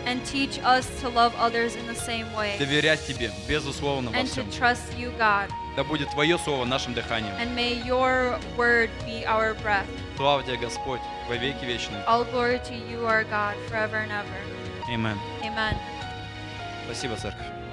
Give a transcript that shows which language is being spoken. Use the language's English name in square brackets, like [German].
[English] And teach us to love others in the same way. [Russian] Доверять тебе безусловно во всем. [English] And to trust you, God. [Russian] Да будет твое слово нашим дыханием. [English] And may your word be our breath. [Russian] Слава тебе, Господь, во веки вечные. [English] All glory to you, our God, forever and ever. Amen. Amen. [Russian] Спасибо, церковь.